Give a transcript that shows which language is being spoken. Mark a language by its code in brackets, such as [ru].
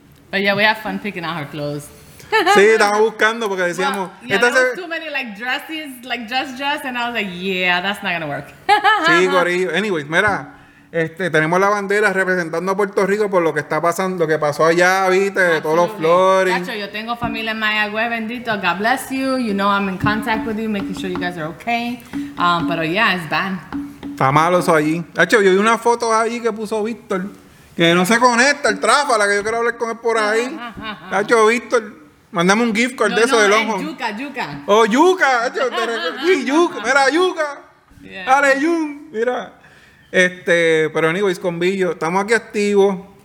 [en] But yeah, we have fun picking out her clothes. [es] Sí, estaba buscando porque decíamos. [en] Well, yeah, there was too many like dresses, like just, and I was like, yeah, that's not gonna work. [es] Sí, gorillo. Anyways, mira, tenemos la bandera representando a Puerto Rico por lo que está pasando, lo que pasó allá, viste, de todos los flores. Nacho, yo tengo familia en Mayagüez, bendito. [en] God bless you. You know I'm in contact with you, making sure you guys are okay. Pero yeah, it's bad. [es] Está malo eso allí. Nacho, yo vi una foto ahí que puso Víctor, que no se conecta el tráfala, que yo quiero hablar con él por ahí. Nacho, Víctor. Mándame un gift card de del ojo. Yuca. Oh, yuca. Sí, yuca. Mira, yuca. Yeah. Dale, yun. Mira. Pero anyways, con Billo. Estamos aquí activos.